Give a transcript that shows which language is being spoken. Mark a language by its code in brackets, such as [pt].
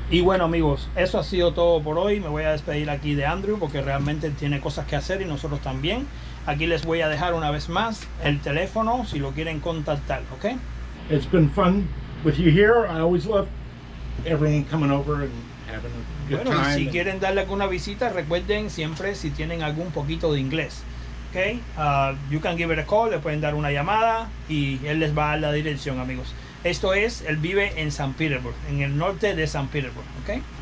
[es] Y bueno, amigos, eso ha sido todo por hoy. Me voy a despedir aquí de Andrew porque realmente tiene cosas que hacer y nosotros también. Aquí les voy a dejar una vez más el teléfono si lo quieren contactar, ¿ok? [en] It's been fun with you here. I always love everyone coming over and having a good time. [es] Bueno, y si quieren darle alguna visita, recuerden siempre si tienen algún poquito de inglés. Ok, [en] you can give it a call, [es] le pueden dar una llamada y él les va a dar la dirección, amigos. Esto es, él vive en San Petersburg, en el norte de San Petersburg, ok.